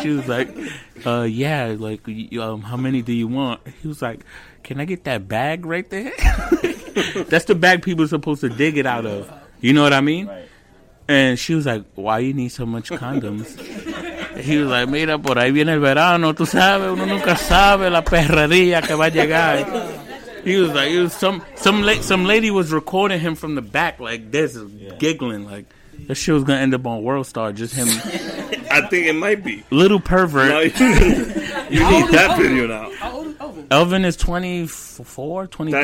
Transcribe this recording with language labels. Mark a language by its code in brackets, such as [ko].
[en] She was like, yeah, how many do you want? He was like, can I get that bag right there? That's the bag people are supposed to dig it out of. You know what I mean? Right. And she was like, why you need so much condoms? He was like, [es] mira, por ahí viene el verano. Tú sabes, uno nunca sabe la perrería que va a llegar. [en] He was like, some lady was recording him from the back, like this, giggling, like that shit was gonna end up on World Star, just him. I think it might be little pervert. You need that video now. How old is Elvin? Elvin is 24, 23.